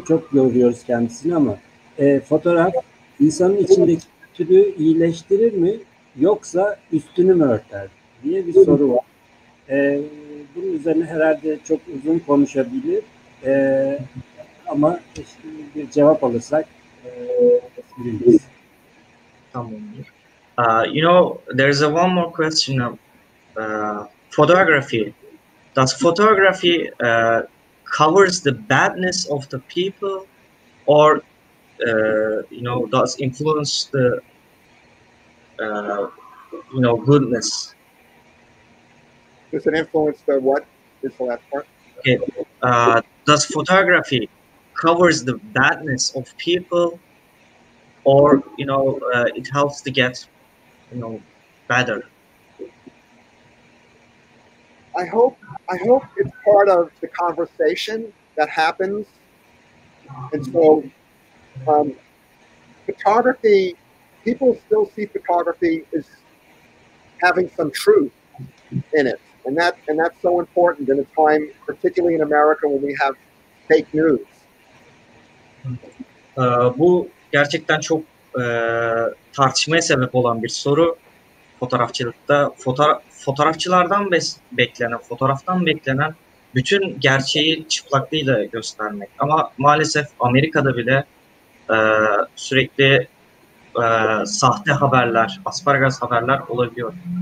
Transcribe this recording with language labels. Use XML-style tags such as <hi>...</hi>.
<tr>Çok yoruyoruz kendisini ama fotoğraf insanın içindeki kötülüğü iyileştirir mi yoksa üstünü mü örter diye bir soru var. Bunun üzerine herhalde çok uzun konuşabilir ama işte bir cevap alırsak biliriz. İstanbul'dayım.</tr> <en>You know, there's a one more question of photography. Does photography covers the badness of the people, or you know, does influence the you know, goodness? Does it influence the what? Is the last part? Okay. Does photography covers the badness of people, or you know, it helps to get, you know, better? I hope it's part of the conversation that happens. And so photography, people still see photography as having some truth in it. And that's so important in a time, particularly in America, when we have fake news.</en> <tr>Bu gerçekten çok tartışmaya sebep olan bir soru. Fotoğrafçılıkta fotoğrafçılardan beklenen, fotoğraftan beklenen bütün gerçeği çıplaklığıyla göstermek. Ama maalesef Amerika'da bile sürekli sahte haberler, asparagas haberler olabiliyor.</tr>